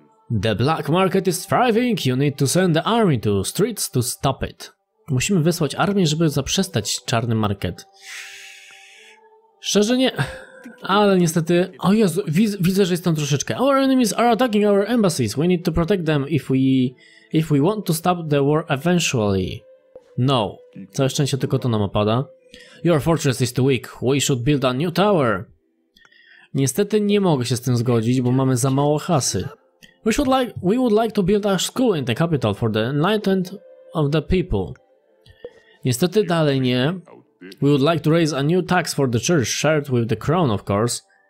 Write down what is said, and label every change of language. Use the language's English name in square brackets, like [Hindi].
[English] The black market is thriving. You need to send the army to streets to stop it. [Polish] Musimy wysłać armię, żeby zaprzestać czarny market. Szczerze nie, ale niestety... O Jezu, widzę, że jest tam troszeczkę. [English] Our enemies are attacking our embassies. We need to protect them if we want to stop the war eventually. No. [Polish] Całe szczęście tylko to nam opada. [English] Your fortress is too weak. We should build a new tower. [Polish] Niestety nie mogę się z tym zgodzić, bo mamy za mało hasy. [English] We would like to build a school in the capital for the enlightenment of the people. [Polish] Niestety dalej nie. [English] We would like to raise a new tax for the church, shared with the crown, of course.